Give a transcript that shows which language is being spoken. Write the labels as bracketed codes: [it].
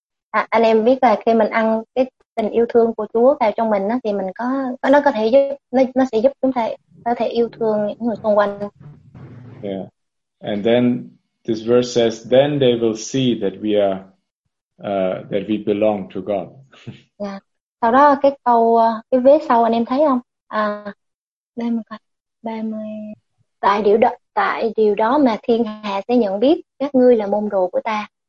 [vi] anh em biết là khi mình ăn cái tình yêu thương của Chúa vào trong mình á, thì mình có, nó có thể giúp, nó sẽ giúp chúng ta có thể yêu thương những người xung quanh. [en] Yeah, and then this verse says, then they will see that we are, that we belong to God. Yeah. [vi] Sau đó cái câu, cái vế sau anh em thấy không? À, đây mình coi, 30. Tại điều đó mà thiên hạ sẽ nhận biết các ngươi là môn đồ của ta.